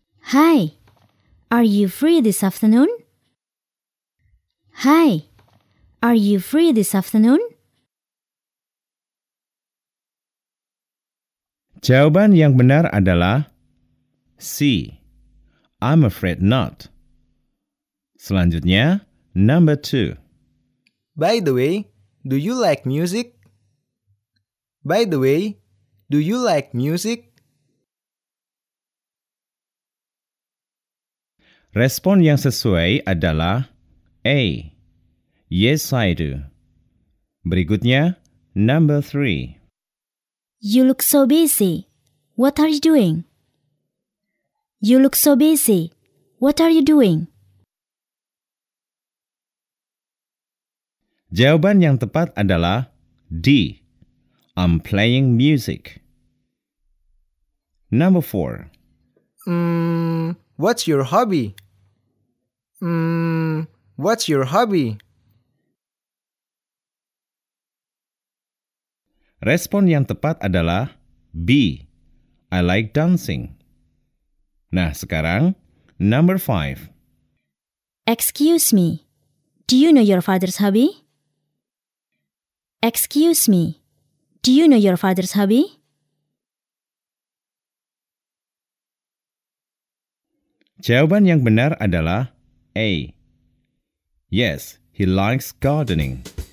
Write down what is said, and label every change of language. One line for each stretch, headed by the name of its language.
English: Hi, are you free this afternoon? Hi, are you free this afternoon?
Indonesian: Jawaban yang benar adalah C.
English: I'm afraid not. Selanjutnya, number 2. By the way, do you like music? By the way, do you like music?
Indonesian: Respon yang sesuai adalah A.
English: Yes, I do. Berikutnya, number 3. You look so busy. What are you doing? You look so busy. What are you doing?
Indonesian: Jawaban yang tepat adalah D.
English: I'm playing music. Number 4. What's your hobby? What's your hobby?
Indonesian: Respon yang tepat adalah B.
English: I like dancing.
Indonesian: Nah, sekarang
English: number 5. Excuse me. Do you know your father's hobby? Excuse me, do you know your father's hobby?
Indonesian: Jawaban yang benar adalah A.
English: Yes, he likes gardening.